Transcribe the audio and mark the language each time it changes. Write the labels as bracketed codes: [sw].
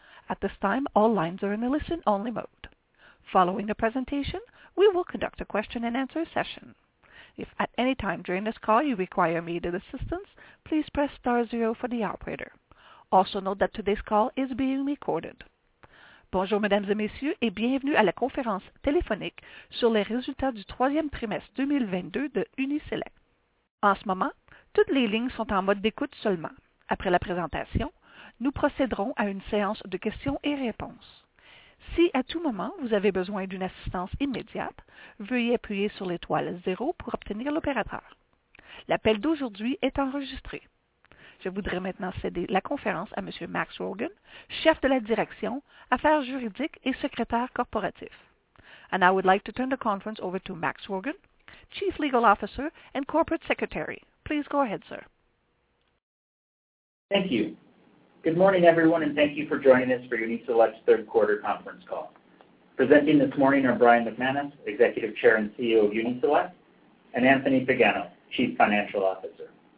[en] At this time, all lines are in a listen-only mode. Following the presentation, we will conduct a question-and-answer session. If at any time during this call you require immediate assistance, please press star zero for the operator. Also note that today's call is being recorded. [fr] Bonjour, mesdames et messieurs, et bienvenue à la conférence téléphonique sur les résultats du troisième trimestre 2022 de Uni-Select. En ce moment, toutes les lignes sont en mode d'écoute seulement. Après la présentation, nous procéderons à une séance de questions et réponses. Si à tout moment vous avez besoin d'une assistance immédiate, veuillez appuyer sur l'étoile 0 pour obtenir l'opérateur. L'appel d'aujourd'hui est enregistré. Je voudrais maintenant céder la conférence à M. Max Rogan, chef de la direction, affaires juridiques et secrétaire corporatif. [en] And I would like to turn the conference over to Max Rogan, chief legal officer and corporate secretary. Please go ahead, sir. Thank you. Good morning, everyone, and thank you for joining us for Uni-Select's third quarter conference call. Presenting this morning are Brian McManus, executive chair and CEO of Uni-Select, and Anthony Pagano, chief financial officer.